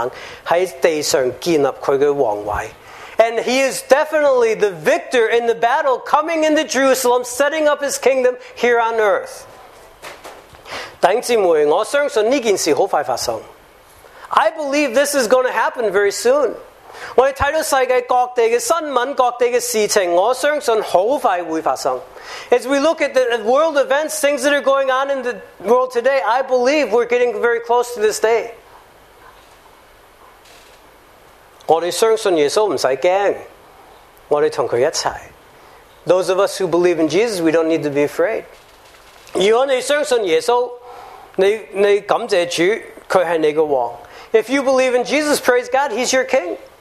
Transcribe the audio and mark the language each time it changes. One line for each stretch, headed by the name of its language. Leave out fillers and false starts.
Chinese: 他真的是打赢仗进入耶路撒冷，在地上建立他的王位。
English: And He is definitely the victor in the battle coming into Jerusalem, setting up His kingdom here on earth.
Chinese: 弟兄姊妹，我相信这件事很快发生。
English: I believe this is going to happen very soon.
Chinese: 我们看到世界各地的新闻，各地的事情，我相信很快会发生。
English: As we look at the world events, things that are going on in the world today, I believe we're getting very close to this day.
Chinese: 我们相信耶稣不用怕，我们跟他一起。
English: Those of us who believe in Jesus, we don't need to be afraid.
Chinese: 如果你相信耶稣，你感谢主，他是你的王。
English: If you believe in Jesus, praise God, He's your king.